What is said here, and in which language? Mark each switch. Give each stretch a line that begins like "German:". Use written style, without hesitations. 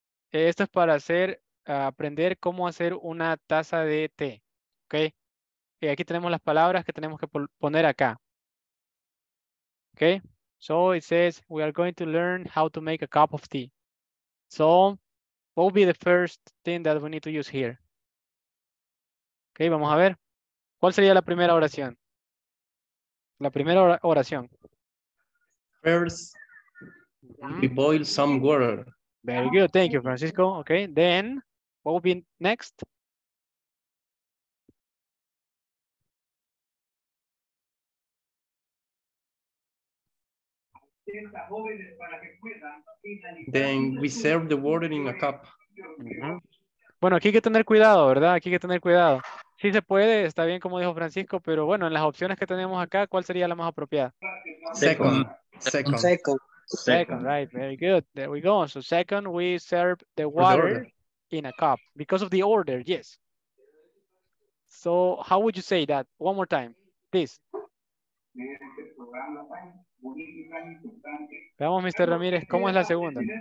Spanish: Esto es para hacer, aprender cómo hacer una taza de té, ¿ok? Y aquí tenemos las palabras que tenemos que poner acá, ¿ok?
English: So it says, we are going to learn how to make a cup of tea. So, what will be the first thing that we need to use here?
Spanish: ¿Ok? Vamos a ver. ¿Cuál sería la primera oración? La primera oración.
English: First, we boil some water. Very good. Thank you, Francisco. Okay. Then, what will be next? Put Then we serve the water in a cup.
Spanish: Bueno, aquí hay que tener cuidado, ¿verdad? Aquí hay que tener cuidado. Sí se puede, está bien como dijo Francisco, pero bueno, en las opciones que tenemos acá, ¿cuál sería la más apropiada?
English: Second, right, very good. There we go. So second, we serve the water in a cup because of the order, yes. So how would you say that? One more time, please.
Spanish: Veamos, Mr. Ramírez, ¿cómo es la segunda?